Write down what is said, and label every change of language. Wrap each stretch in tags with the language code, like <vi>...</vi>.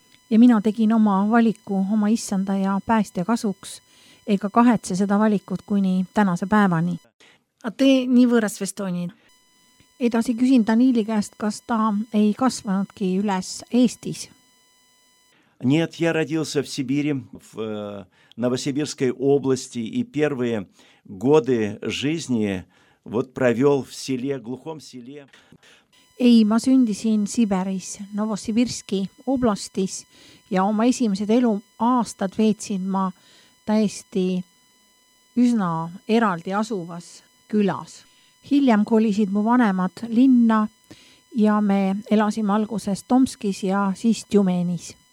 <et>Ja mina tegin oma valiku oma issanda ja päästja kasuks, ega kahetse seda valikut kuni tänase päevani. A te nii võõras vestoonid? Edasi küsin Daniili käest, kas ta ei kasvanudki üles Eestis?</et> <ru>Нет, я родился в Сибири, в Новосибирской области, и первые годы жизни вот провел в селе, глухом селе.</ru> <et>Ei, ma sündisin Siberis, Novosibirski oblastis ja oma esimesed elu aastad veetsin ma täiesti üsna eraldi asuvas külas. Hiljem kolisid mu vanemad linna ja me elasime alguses Tomskis ja siis Tjumenis.</et>